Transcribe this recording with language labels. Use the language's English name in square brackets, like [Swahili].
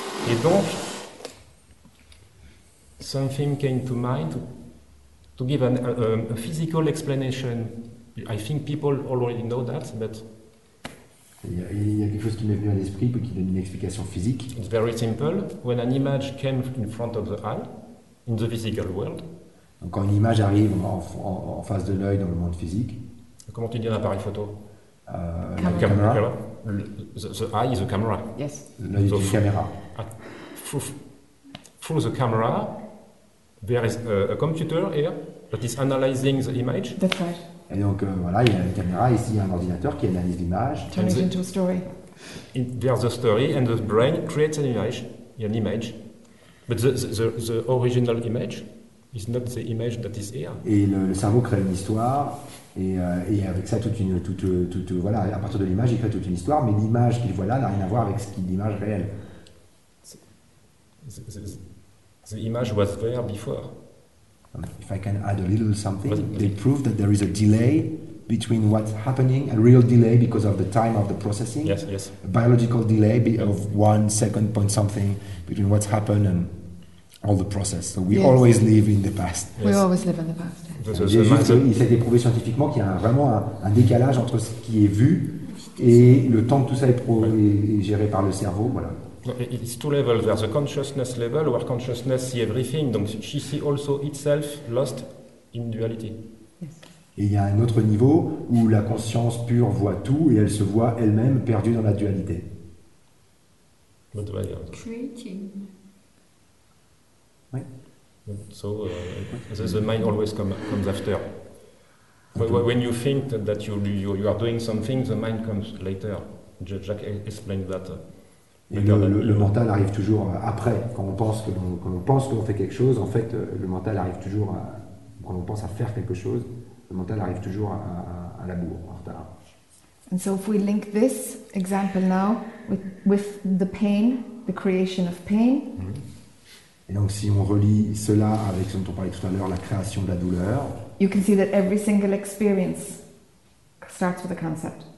[French] Et donc, [English] something came to mind to give a physical explanation. I think people already know that, but... [French] Il y a quelque chose qui m'est venu à l'esprit qui donne une explication physique. [English] It's very simple. When an image came in front of the eye, in the physical world. [French] Donc quand une image arrive en face de l'œil dans le monde physique. Comment tu dis un appareil photo? [English] Camera. The eye is a camera. Yes. [French] L'œil est une caméra. [English] Through the camera, there is a computer here that is analyzing the image. That's right. [French] Et donc voilà, il y a une caméra ici, il y a un ordinateur qui analyse l'image. [English] Turn it into a story. There's a story and the brain creates an image. But the original image is not the image that is here. Et le cerveau crée une histoire et avec ça voilà, à partir de l'image, il crée toute une histoire, mais l'image qu'il voit là n'a rien à voir avec ce qu'est l'image réelle. The image was there before. If I can add a little something, they prove that there is a delay between what's happening, a real delay because of the time of the processing. Yes, yes. A biological delay of 1 second point something between what's happened and all the process. So we always live in the past. Yes. We always live in the past. [French] C'est juste, il s'est prouvé scientifiquement qu'il y a vraiment un décalage entre ce qui est vu et le temps que tout ça est, est géré par le cerveau. Voilà. [English] It's two levels. There's a consciousness level where consciousness sees everything. Donc, she sees also itself lost in duality. Yes. [French] Et il y a un autre niveau où la conscience pure voit tout et elle se voit elle-même perdue dans la dualité. [English] What do I have? Creating. [French] Oui. [English] So the mind always comes after. When you think that you are doing something, the mind comes later. Jack explained that. [French] Le mental arrive toujours après. Quand on pense qu'on fait quelque chose, en fait, le mental arrive toujours. Quand on pense à faire quelque chose, le mental arrive toujours à la bourre, en retard. [English] And so if we link this example now with the pain, the creation of pain. Mm-hmm. [French] Et donc, si on relie cela avec ce dont on parlait tout à l'heure, la création de la douleur, [English] you can see that every single experience starts with a concept.